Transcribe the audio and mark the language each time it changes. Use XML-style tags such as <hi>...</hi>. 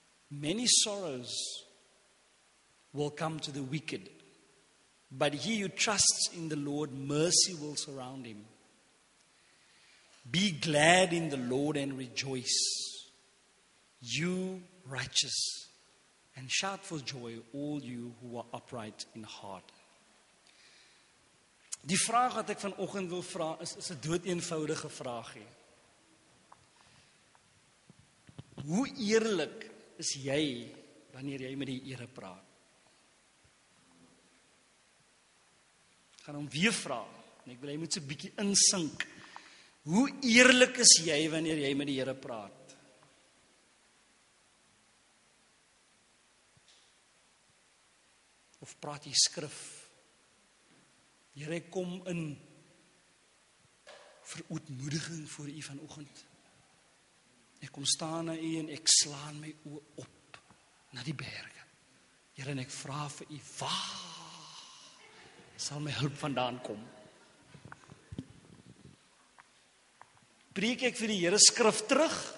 <en>Many sorrows will come to the wicked, but he who trusts in the Lord, mercy will surround him. Be glad in the Lord and rejoice, you righteous, and shout for joy, all you who are upright in heart.</en> <af>Die vraag wat ek vanoggend wil vra is 'n doodeenvoudige vraagie. Hoe eerlik is jy wanneer jy met die Here praat? Gaan hom weer vra, en ek wil hy moet so 'n bietjie insink. Hoe eerlik is jy wanneer jy met die Here praat? Of praat jy skrif? Here, kom in verootmoediging voor u vanoggend. Ek kom staan na u en ek slaan my oë op na die berge. Here, en ek vra vir u, waar sal my hulp vandaan kom? Preek ek vir die Here skrif terug?</af>